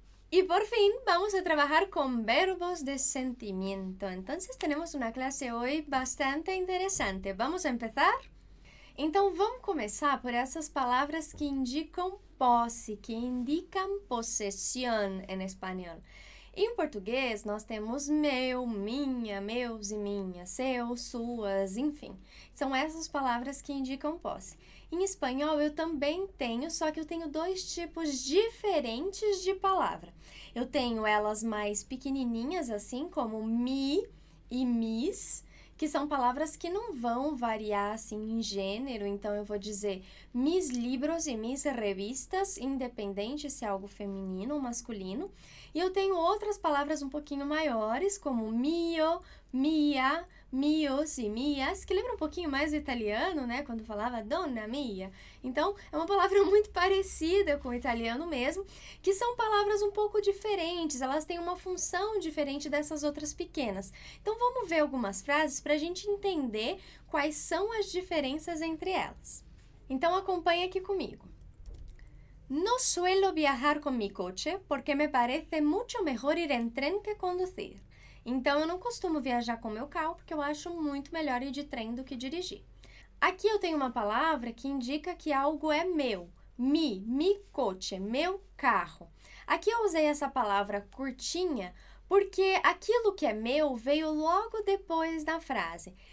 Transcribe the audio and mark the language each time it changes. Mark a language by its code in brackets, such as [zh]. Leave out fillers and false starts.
[es] Y por fin, vamos a trabajar con verbos de sentimiento. Entonces, tenemos una clase hoy bastante interesante. ¿Vamos a empezar? Entonces, vamos a comenzar por esas palabras que indican pose, que indican posesión en español. [pt] Em português, nós temos meu, minha, meus e minhas, seus, suas, enfim. São essas palavras que indicam posse. Em espanhol, eu também tenho, só que eu tenho 2 tipos diferentes de palavra. Eu tenho elas mais pequenininhas, assim como mi e mis, que são palavras que não vão variar assim em gênero. Então, eu vou dizer [es] mis libros [pt] e [es] mis revistas, [pt] independente se é algo feminino ou masculino. E eu tenho outras palavras um pouquinho maiores, como mio, mia, mios e mias, que lembra um pouquinho mais o italiano, né? Quando falava dona mia. Então, é uma palavra muito parecida com o italiano mesmo, que são palavras um pouco diferentes, elas têm uma função diferente dessas outras pequenas. Então, vamos ver algumas frases para a gente entender quais são as diferenças entre elas. Então, acompanha aqui comigo. [es] No suelo viajar con mi coche porque me parece mucho mejor ir en tren que conducir. [pt] Então, eu não costumo viajar com meu carro porque eu acho muito melhor ir de trem do que dirigir. Aqui eu tenho uma palavra que indica que algo é meu. [es] Mi coche, [pt] meu carro. Aqui eu usei essa palavra curtinha porque aquilo que é meu veio logo depois da frase.